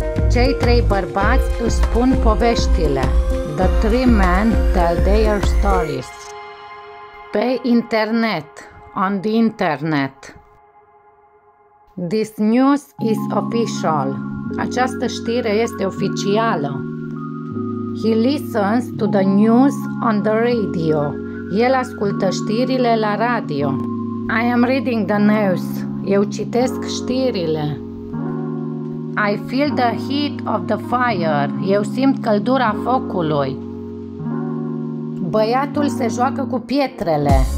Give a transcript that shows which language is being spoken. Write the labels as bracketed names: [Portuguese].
[Romanian] Cei trei bărbați își spun poveștile. [English] The three men tell their stories. [Romanian] Pe internet. [English] On the internet. This news is official. [Romanian] Această știre este oficială. [English] He listens to the news on the radio. [Romanian] El ascultă știrile la radio. [English] I am reading the news. [Romanian] Eu citesc știrile. [English] I feel the heat of the fire. [Romanian] Eu simt căldura focului. Băiatul se joacă cu pietrele.